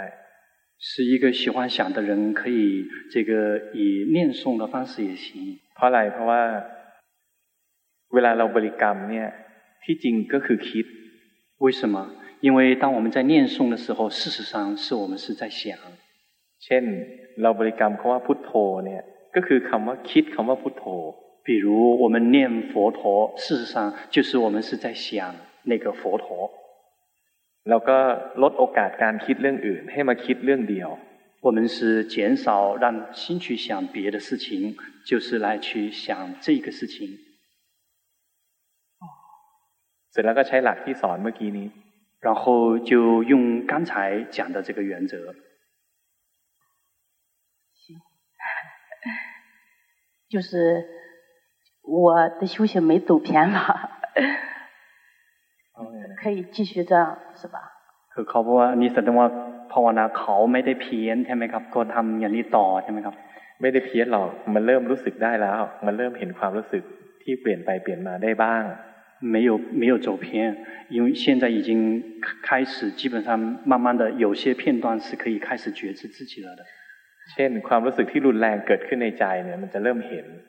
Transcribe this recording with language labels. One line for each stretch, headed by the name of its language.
Chinese: 。是一个喜欢想的人，可以这个以念诵的方式也行。
Thai: เพราะอะไร？เพราะว่าเวลาเราบริกรรมเนี่ย，ที่จริงก็คือคิด。
Chinese: 为什么？因为当我们在念诵的时候，事实上是我们是在想。
Thai: เช่นเราบริกรรมคำว่าพุทโธเนี่ย。 ก็คือคำว่าคิดคำว่าพุทโธ
Chinese: 比如我们念佛陀事实上就是我们是在想那个佛陀
Thai: แล้วก็ลดโอกาสการคิดเรื่องอื่นให้มาคิดเรื่องเดียว
Chinese: 我们是减少让心去想别的事情，就是来去想这个事情。
Thai: เสร็จแล้วก็ใช้หลักที่สอนเมื่อกี้นี้
Chinese: 然后就用刚才讲的这个原则。行，就是我的修行没走偏了。可以继续这样是吧
Thai: คือเขาบอกว่านี่แสดงว่าภาวนาเขาไม่ได้เพี้ยนใช่ไหมครับก็ทำอย่างนี้ต่อใช่ไหมครับ ไม่ได้เพี้ยนหรอกมันเริ่มรู้สึกได้แล้วมันเริ่มเห็นความรู้สึกที่เปลี่ยนไปเปลี่ยนมาได้บ้าง
Chinese: 没有走偏因为现在已经开始基本上慢慢的有些片段是可以开始觉知自己了的
Thai: เช่นความรู้สึกที่รุนแรงเกิดขึ้นในใจเนี่ยมันจะเริ่มเห็น